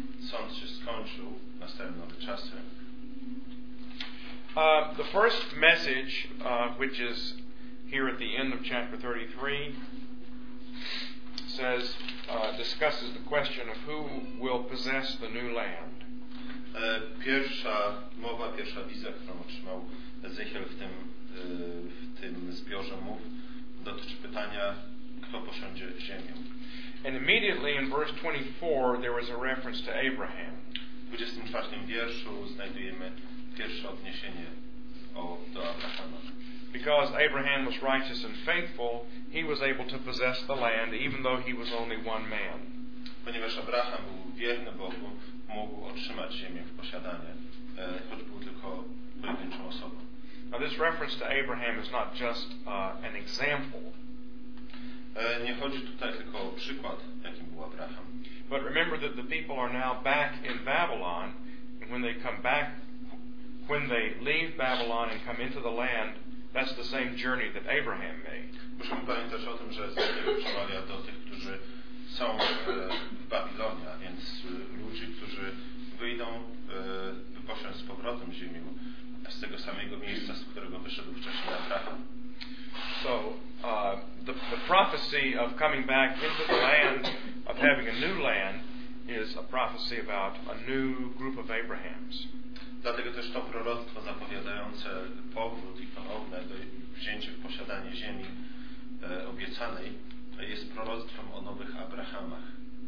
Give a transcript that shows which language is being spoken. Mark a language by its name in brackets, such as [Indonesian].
[Polish] Sąd się skończył, nastały nowe czasy. [English] The first message, which is here at the end of chapter 33, says, discusses the question of who will possess the new land. [Polish] Pierwsza mowa, pierwsza wizja, którą otrzymał Ezechiel w tym zbiorze mów, dotyczy pytania, kto posiądzie ziemię. [English] And immediately in verse 24 there was a reference to Abraham. [Polish] W 24 wierszu znajdujemy pierwsze odniesienie do Abrahama. [English] Because Abraham was righteous and faithful, he was able to possess the land even though he was only one man. [Polish] Ponieważ Abraham był wierny Bogu, mógł otrzymać ziemię w posiadanie, choć był tylko pojedynczą osobą. [English] Now this reference to Abraham is not just an example. [Polish] Nie chodzi tutaj tylko o przykład, jakim był Abraham. [English] But remember that the people are now back in Babylon, and when they come back, when they leave Babylon and come into the land, that's the same journey that Abraham made. [Polish] Musimy pamiętać o tym, że Ezechiel przemawia do tych, którzy są w Babilonii, a więc ludzi, którzy wyjdą, wyposią z powrotem ziemię z tego samego miejsca, z którego wyszedł wcześniej Abraham. [English] So the prophecy of coming back into the land, of having a new land, is a prophecy about a new group of Abrahams. [Polish] Dlatego też to proroctwo zapowiadające powrót i ponowne wzięcie w posiadanie ziemi obiecanej jest proroctwem o nowych Abrahamach.